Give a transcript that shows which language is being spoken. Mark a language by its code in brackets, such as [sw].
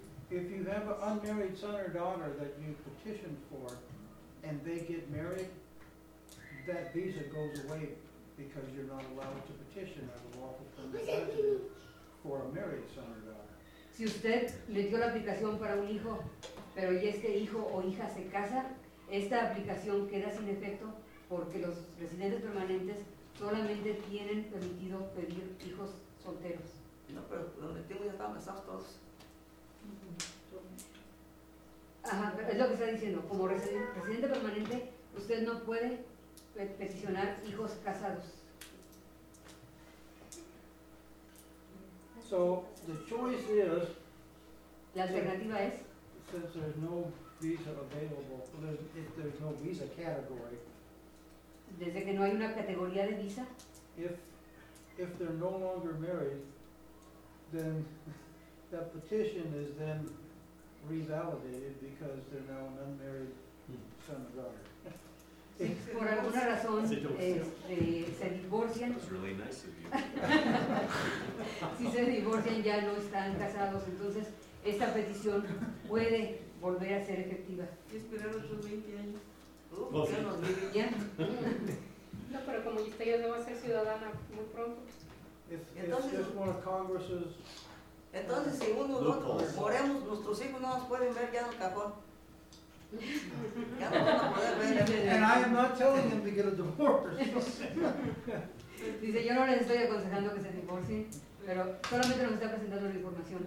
[en] If you have an unmarried son or daughter that you petitioned for and they get married, that visa goes away because you're not allowed to petition as a lawful permanent resident for a married son or daughter. [es] Si usted metió la aplicación para un hijo, pero ya este hijo o hija se casa, esta aplicación queda sin efecto porque los residentes permanentes solamente tienen permitido pedir hijos solteros. No, pero donde tengo ya estaban casados todos. Ajá, pero es lo que está diciendo. Como residente permanente, usted no puede peticionar hijos casados. [en] So the choice is. [es] La alternativa es. [en] Since there's no visa available, if there's no visa category. [es] Desde que no hay una categoría de visa. [en] If they're no longer married, then that petition is then revalidated because they're now an unmarried son or daughter. [es] Si por alguna razón se divorcian. [en] That's really nice of you. [es] Si se divorcian, ya no están casados, entonces esta petición puede volver a ser efectiva. Y esperar otros 20 años. No, pero como usted ya no va a ser ciudadana muy pronto. Entonces, [en] one of Congress's, [es] entonces si uno nosotros moremos, nuestros hijos no nos pueden ver ya en el cajón. [en] And I am not telling them to get a divorce. [es] Dice, yo no les estoy aconsejando que se divorcien, pero solamente nos está presentando la información.